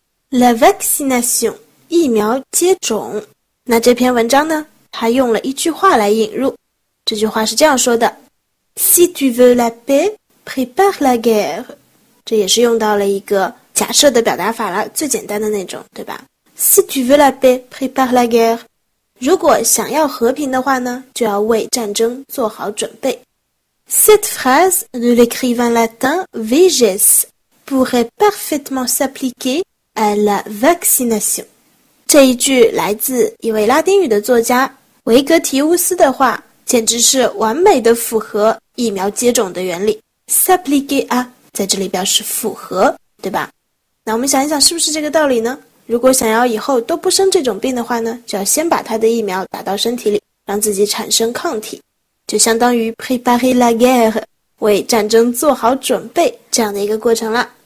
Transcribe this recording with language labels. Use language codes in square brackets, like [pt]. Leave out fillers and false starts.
[fr] La vaccination. [zh] 疫苗接种，那这篇文章呢，它用了一句话来引入，这句话是这样说的 [fr] Si tu veux la paix, prépare la guerre. [zh] 这也是用到了一个假设的表达法了，最简单的那种，对吧？ [fr] Si tu veux la paix, prépare la guerre. [zh] 如果想要和平的话呢，就要为战争做好准备。 [fr] Cette phrase de l'écrivain latin Véges pourrait parfaitement s'appliquer à la vaccination. [zh] 这一句来自一位拉丁语的作家维格提乌斯的话，简直是完美的符合疫苗接种的原理。 [fr] S'appliquer à [zh] 在这里表示符合，对吧？那我们想一想，是不是这个道理呢？如果想要以后都不生这种病的话呢，就要先把他的疫苗打到身体里，让自己产生抗体，就相当于 [fr] préparer la guerre， [zh] 为战争做好准备这样的一个过程了。